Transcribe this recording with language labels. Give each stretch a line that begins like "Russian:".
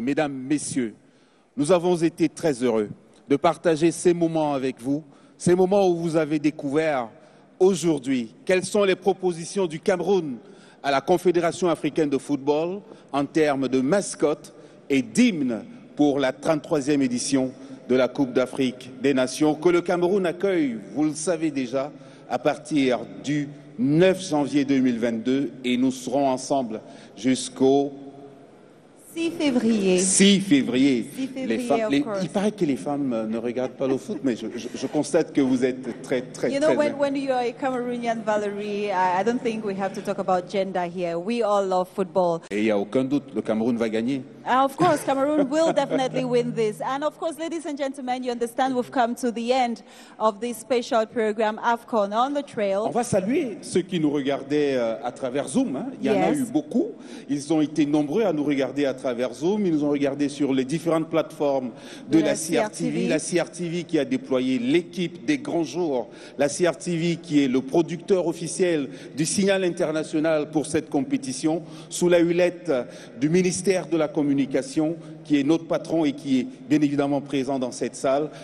French: Mesdames, Messieurs, nous avons été très heureux de partager ces moments avec vous, ces moments où vous avez découvert aujourd'hui quelles sont les propositions du Cameroun à la Confédération africaine de football en termes de mascotte et d'hymne pour la 33e édition de la Coupe d'Afrique des Nations que le Cameroun accueille, vous le savez déjà, à partir du 9 janvier 2022 et nous serons ensemble jusqu'au 6 février. Les femmes, il paraît que les femmes ne regardent pas le foot, mais je constate que vous êtes très.
English: You know, when you are a Cameroonian, Valerie, I don't think we have to talk about gender here. We all love football.
French: Et il y a aucun doute, le Cameroun va gagner.
English: And of course, Cameroon will definitely win this. And of course, ladies and gentlemen, you understand we've come to the end of this special program, AFCON on the trail.
French: On va saluer ceux qui nous regardaient à travers Zoom. Hein. Il y en a eu beaucoup. Ils ont été nombreux à nous regarder à travers Zoom. Ils nous ont regardés sur les différentes plateformes de la CRTV. La CRTV qui a déployé l'équipe des grands jours. La CRTV qui est le producteur officiel du signal international pour cette compétition sous la houlette du ministère de la Communication, qui est notre patron et qui est bien évidemment présent dans cette salle.